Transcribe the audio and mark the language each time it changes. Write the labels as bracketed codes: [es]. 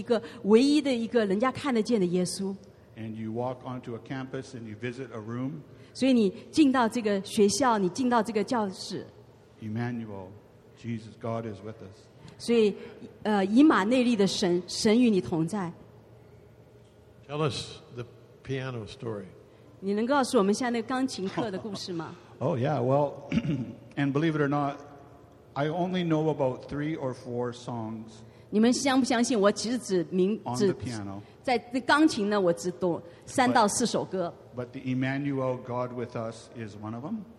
[zh] 所以有的时候在一个地方，你可能就是一个唯一的一个人家看得见的耶稣。And [en] you walk onto a campus and you visit a room. [zh] 所以你进到这个学校，你进到这个教室。Emmanuel, [en] Jesus, God is with us. [zh] 所以，以马内利的神，神与你同在。Tell [en] us the piano story. [zh] 你能告诉我们现在那个钢琴课的故事吗？ [en] Oh yeah, well, and believe it or not, I only know about 3 or 4 songs. [zh] 你们相不相信我其实只明只 [en] on the piano. [zh] 在钢琴呢，我只懂3到4首歌。 [en] But the Emmanuel God with us is one of them.